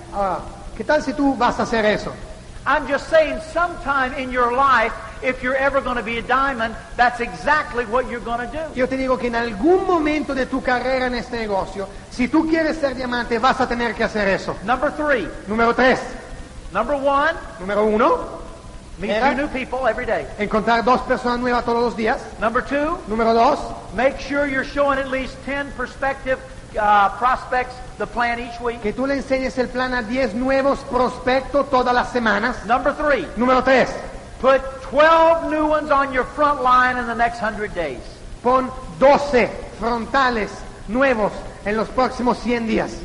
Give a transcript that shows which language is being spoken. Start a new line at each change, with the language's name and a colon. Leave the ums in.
Spanish: Ah, ¿qué tal si tú vas a hacer eso?
English: I'm just saying sometime in your life if you're ever going to be a diamond, that's exactly what you're going to do.
Spanish: Yo te digo que en algún momento de tu carrera en este negocio, si tú quieres ser diamante, vas a tener que hacer eso.
English: Number 3.
Spanish: Número 3.
English: Number 1.
Spanish: Número 1.
English: Meet new people every day.
Spanish: Encontrar dos personas nuevas todos los días.
English: Number two.
Spanish: Número dos.
English: Make sure you're showing at least 10 prospective uh, prospects the plan each week.
Spanish: Que tú le enseñes el plan a diez nuevos prospectos todas las semanas.
English: Number three.
Spanish: Número tres.
English: Put 12 new ones on your front line in the next 100 days.
Spanish: Pon doce frontales nuevos en los próximos cien días.